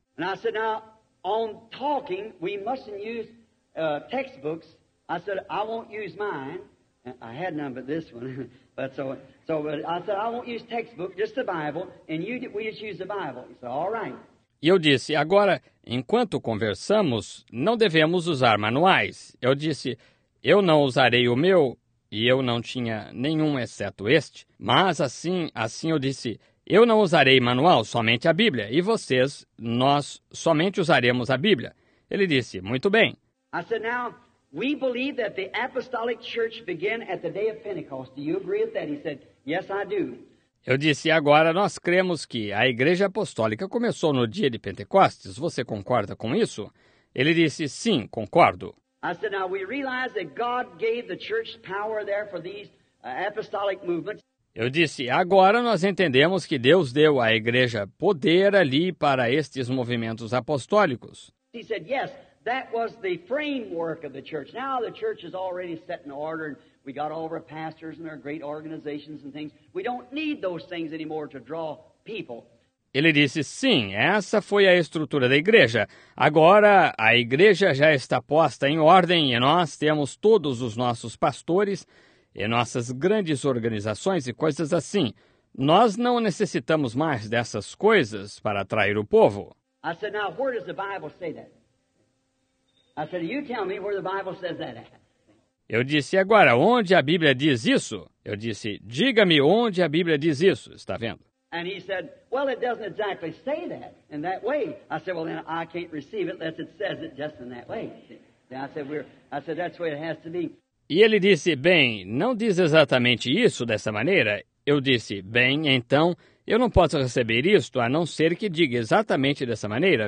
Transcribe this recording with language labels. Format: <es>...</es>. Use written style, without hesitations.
<en>And I said, now, on talking, we mustn't use textbooks. I said, I won't use mine. I had none but this one. But but I said, I won't use textbook, just the Bible, and we just use the Bible. He said, all right.</en> <pt>E eu disse, agora, enquanto conversamos, não devemos usar manuais. Eu disse, eu não usarei o meu. E eu não tinha nenhum exceto este. Mas assim eu disse, eu não usarei manual, somente a Bíblia. E vocês, nós somente usaremos a Bíblia. Ele disse, muito bem.</pt> <en>I said, now, we believe that the apostolic church began at the day of Pentecost. Do you agree with that? He said, yes, I do.</en> <pt>Eu disse, agora nós cremos que a igreja apostólica começou no dia de Pentecostes. Você concorda com isso? Ele disse, sim, concordo.</pt> <en>I said, now we realize that God gave the church power there for these apostolic movements.</en> <pt>Eu disse, agora nós entendemos que Deus deu à igreja poder ali para estes movimentos apostólicos.</pt> <en>He said, yes, that was the framework of the church. Now the church is already set in order, and we got all of our pastors and our great organizations and things. We don't need those things anymore to draw people.</en> <pt>Ele disse, sim, essa foi a estrutura da igreja. Agora, a igreja já está posta em ordem e nós temos todos os nossos pastores e nossas grandes organizações e coisas assim. Nós não necessitamos mais dessas coisas para atrair o povo.</pt> <en>I said, now, where does the Bible say that? I said, you tell me where the Bible says that.</en> <pt>Eu disse, agora, onde a Bíblia diz isso? Eu disse, diga-me onde a Bíblia diz isso. Está vendo?</pt> <en>And he said, well, it doesn't exactly say that in that way. I said, well, then I can't receive it unless it says it just in that way. I said, that's the way it has to be.</en> <pt>E ele disse, bem, não diz exatamente isso dessa maneira. Eu disse, bem, então, eu não posso receber isto a não ser que diga exatamente dessa maneira.</pt>